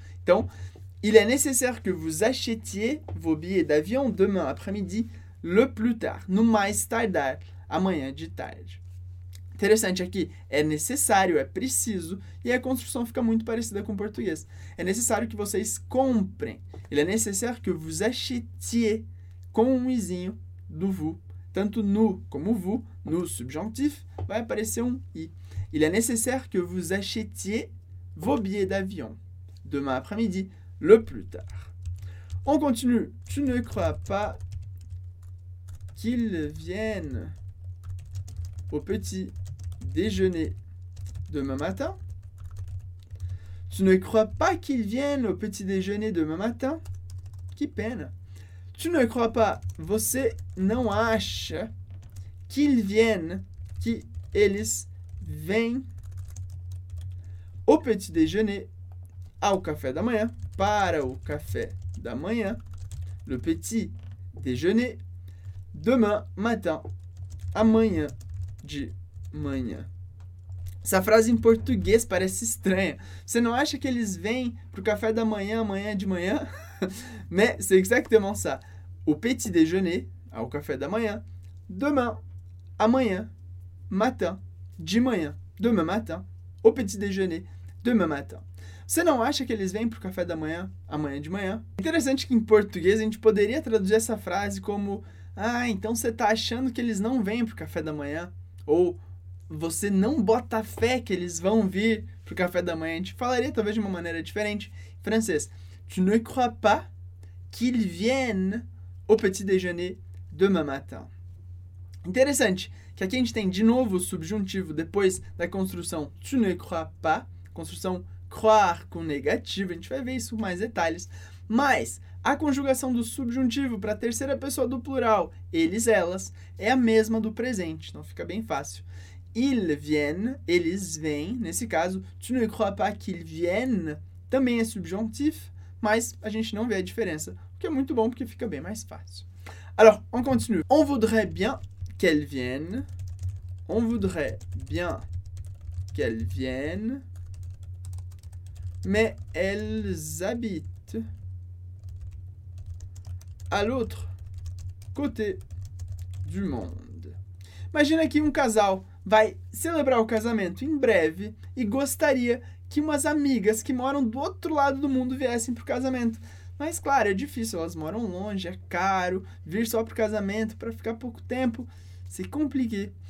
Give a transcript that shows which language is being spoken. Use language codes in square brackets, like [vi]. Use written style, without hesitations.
[fr] Então, il est nécessaire que vous achetiez vos billets d'avion demain après-midi, le plus tard, [pt] no mais tardar, amanhã de tarde. Interessante aqui, é necessário, é preciso, e a construção fica muito parecida com o português. É necessário que vocês comprem. [fr] Il est nécessaire que vous achetiez, [pt] com um izinho do [fr] vous. [pt] Tanto no como vous, no subjonctif, vai aparecer um i. [fr] Il est nécessaire que vous achetiez vos billets d'avion demain après-midi, le plus tard. On continue. Tu ne crois pas qu'il vienne au petit déjeuner demain matin? Tu ne crois pas qu'il vienne au petit déjeuner demain matin? [pt] Que pena. [fr] Tu ne crois pas, [pt] você não acha [fr] qu'il vienne, [pt] que eles vêm [fr] au petit déjeuner, [pt] ao café da manhã. Para o café da manhã, [fr] le petit déjeuner, demain matin, [pt] amanhã de manhã. Essa frase em português parece estranha. Você não acha que eles vêm para o café da manhã, amanhã de manhã? Mas [fr] c'est exactement ça. [pt] O petit déjeuner, ao café da manhã, demain, amanhã, matin, de manhã, demain matin, [fr] au petit déjeuner, demain matin. [pt] Você não acha que eles vêm para o café da manhã, amanhã de manhã? Interessante que em português a gente poderia traduzir essa frase como: ah, então você está achando que eles não vêm para o café da manhã? Ou você não bota fé que eles vão vir para o café da manhã? A gente falaria talvez de uma maneira diferente em francês. [fr] Tu ne crois pas qu'ils viennent au petit déjeuner demain matin. [pt] Interessante que aqui a gente tem de novo o subjuntivo depois da construção [fr] tu ne crois pas, [pt] construção croire com negativo, a gente vai ver isso com mais detalhes, mas a conjugação do subjuntivo para a terceira pessoa do plural, eles, elas, é a mesma do presente, então fica bem fácil. [fr] Ils viennent, [pt] eles vêm, nesse caso, [fr] tu ne crois pas qu'ils viennent, [pt] também é subjuntif, mas a gente não vê a diferença, o que é muito bom porque fica bem mais fácil. [fr] Alors, on continue. On voudrait bien qu'elles viennent. On voudrait bien qu'elles viennent. Mais elles habitent à l'autre côté du monde. [pt] Imagina que um casal vai celebrar o casamento em breve e gostaria que umas amigas que moram do outro lado do mundo viessem para o casamento. Mas claro, é difícil, elas moram longe, é caro, vir só para o casamento, para ficar pouco tempo, [fr] c'est compliqué.